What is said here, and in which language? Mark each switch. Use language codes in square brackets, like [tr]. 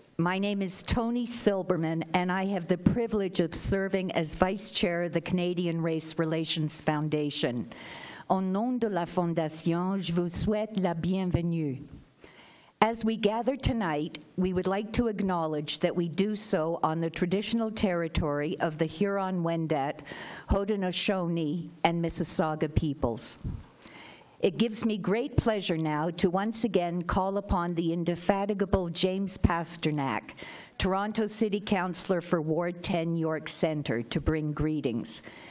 [en] My name is Toni Silberman, and I have the privilege of serving as Vice Chair of the Canadian Race Relations Foundation. [fr] Au nom de la Fondation, je vous souhaite la bienvenue. [en] As we gather tonight, we would like to acknowledge that we do so on the traditional territory of the Huron-Wendat, Haudenosaunee, and Mississauga peoples. It gives me great pleasure now to once again call upon the indefatigable James Pasternak, Toronto City Councillor for Ward 10 York Centre, to bring greetings.